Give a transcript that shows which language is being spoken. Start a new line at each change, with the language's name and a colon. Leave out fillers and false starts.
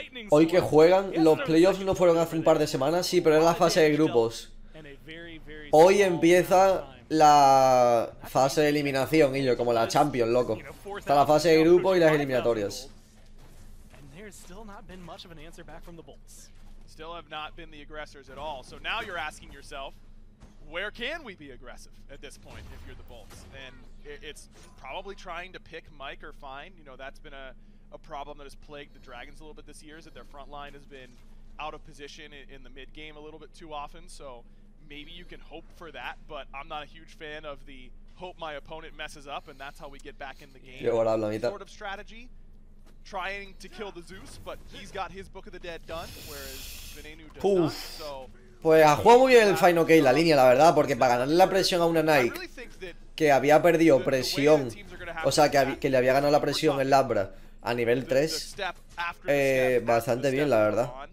Spanish: Hoy que juegan, los playoffs no fueron hace un par de semanas, sí, pero era la fase de grupos. Hoy empieza la fase de eliminación, Illo, como la Champions, loco. Está la fase de grupo y las eliminatorias.
English: Still not been much of an answer back from the Bolts. Still have not been the aggressors at all. So now you're asking yourself, where can we be aggressive at this point if you're the Bolts? And it's probably trying to pick Mike or Fine. You know, that's been a problem that has plagued the Dragons a little bit this year, is that their front line has been out of position in the mid game a little bit too often. So maybe you can hope for that, but I'm not a huge fan of the hope my opponent messes up and that's how we get back in the game. Yeah, what I'm like sort of strategy. Trying to kill the Zeus, but he's got his Book of the Dead done, whereas Venenu does not, so...
Spanish: Pues ha jugado muy bien el Fine OK la línea, la verdad, porque para ganarle la presión a una Nike, que había perdido presión O sea, que le había ganado la presión en Labra a nivel 3. Bastante bien, la verdad.